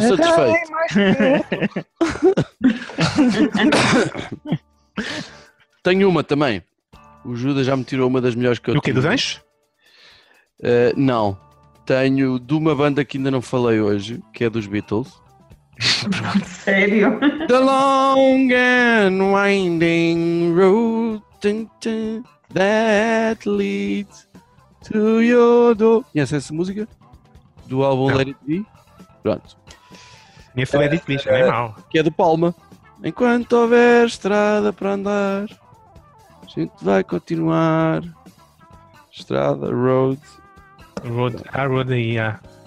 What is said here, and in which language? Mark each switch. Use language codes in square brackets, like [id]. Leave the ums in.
[pt] satisfeito. tenho uma também. O Judas já me tirou uma das melhores que eu tenho. O tivo. que Tive. Do gancho? não tenho de uma banda que ainda não falei hoje, que é dos Beatles. Sério? [en] The Long and Winding Road that leads to your door. [pt] Conhece essa, é essa música? Do álbum não. Let It Be? Pronto. Nem foi Let It nem mal. É, que é do Palma. Enquanto houver estrada para andar, a gente vai continuar. Estrada, road, Road, a Road e a